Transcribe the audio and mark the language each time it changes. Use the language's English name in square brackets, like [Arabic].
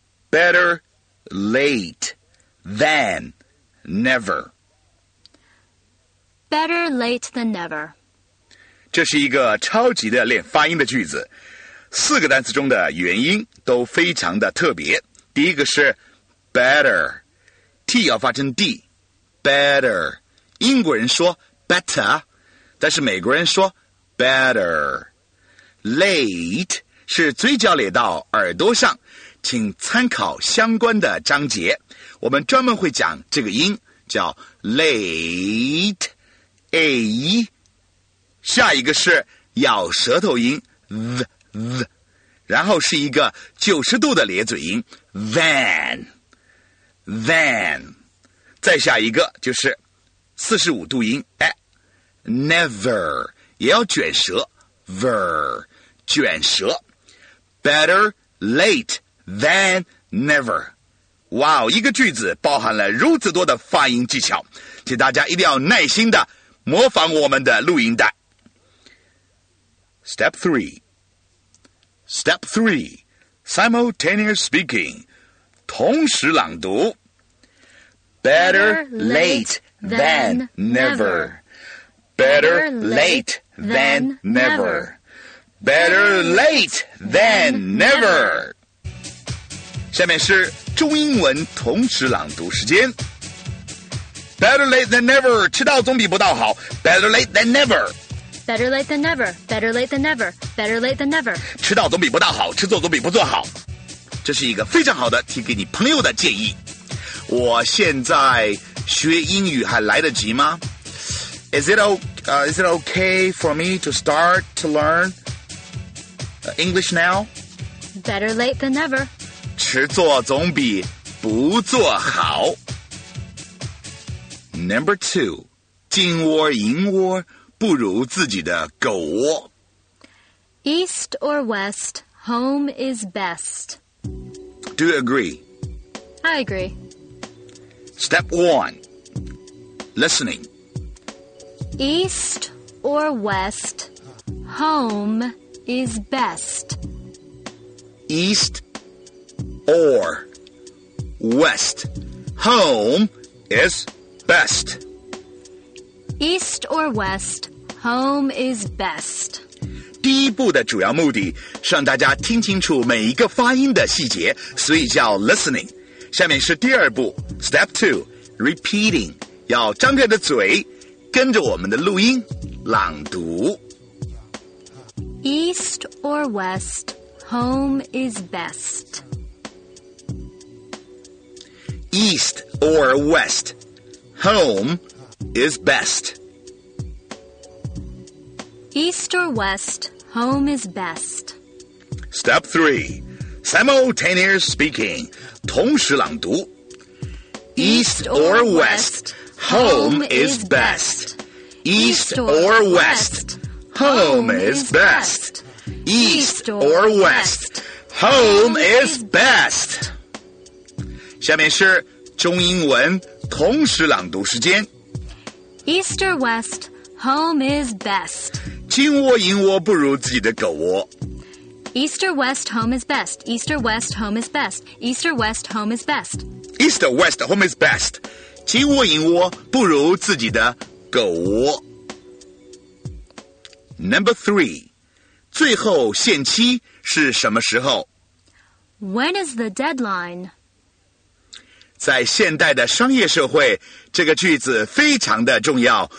[English] Better late than never. Better late than never. [Chinese] 这是一个超级的练发音的句子，四个单词中的元音都非常的特别。第一个是 better， T 要发成 D， better。英国人说 better， 但是美国人说 better。 Late 是嘴角咧到耳朵上，请参考相关的章节，我们专门会讲这个音叫 late。 A， 下一个是咬舌头音 th th， 然后是一个90度的咧嘴音 than than， 再下一个就是45度音 a， never 也要卷舌 ver 卷舌。 [English] Better late than never。 [Chinese] 哇，一个句子包含了如此多的发音技巧，请大家一定要耐心的模仿我们的录音带。 [English] Step 3. Step 3. Simultaneous speaking. [Chinese] 同时朗读。 [English] Better late than never. Better late than never. Better late than never. [Chinese] 下面是中英文同时朗读时间。 [English] Better late than never. [Chinese] 迟到总比不到好。 [English] Better late than never. Better late than never. Better late than never. Better late than never. [Chinese] 迟到总比不到好，迟做总比不做好。这是一个非常好的提给你朋友的建议。我现在学英语还来得及吗？ [English] Is it okay for me to start to learn English now? Better late than never. [Chinese] 迟做总比不做好。 [English] Number two, [Chinese] 金窝银窝不如自己的狗窝。 [English] East or west, home is best. Do you agree? I agree. Step one, listening. East or west, home is best. East or west, home is best. East or west, home is best. [Chinese] 第一步的主要目的是让大家听清楚每一个发音的细节，所以叫 listening。下面是第二步 [English] step 2 repeating， [Chinese] 要张开的嘴跟着我们的录音朗读。 [English] East or west, home is best. East or west, home is best. East or westHome is best. Step 3. Simultaneous speaking. [Chinese] 同时朗读。 [English] East or west, home is best. East or west, home is best. East or west, home is best. [Chinese] 下面是中英文同时朗读时间。 [English] East or west, home is best. [Chinese] 金窝银窝不如自己的狗窝。 [English] East or west, home is best. East or west, home is best. East or west, home is best. East or west, home is best. [Chinese] 金窝银窝不如自己的狗窝。 [English] Number three, [Chinese] 最后限期是什么时候？ [English] When is the deadline? [Chinese] 在现代的商业社会，这个句子非常的重要。